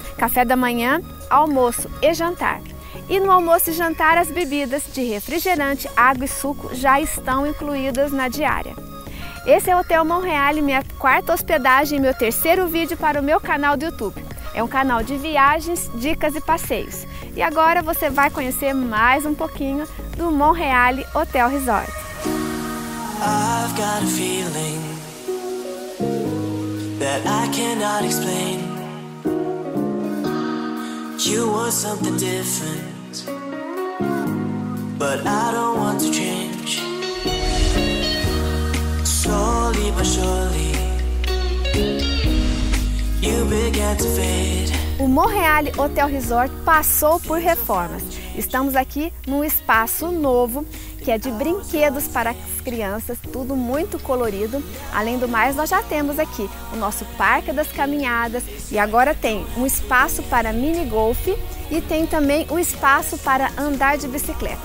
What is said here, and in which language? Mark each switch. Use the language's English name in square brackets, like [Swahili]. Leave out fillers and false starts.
[Portuguese] Café da manhã, almoço e jantar. E no almoço e jantar, as bebidas de refrigerante, água e suco já estão incluídas na diária. Esse é o Hotel Monreale, minha quarta hospedagem e meu terceiro vídeo para o meu canal do YouTube. É um canal de viagens, dicas e passeios. E agora você vai conhecer mais um pouquinho do Monreale Hotel Resort. [English] I've got a feeling that I cannot explain. You want something different, but I don't want to change. Slowly but surely, you began to fade. [Portuguese] O Monreale Hotel Resort passou por reformas. Estamos aqui num espaço novo, que é de brinquedos para as crianças, tudo muito colorido. Além do mais, nós já temos aqui o nosso parque das caminhadas e agora tem um espaço para mini golfe e tem também um espaço para andar de bicicleta.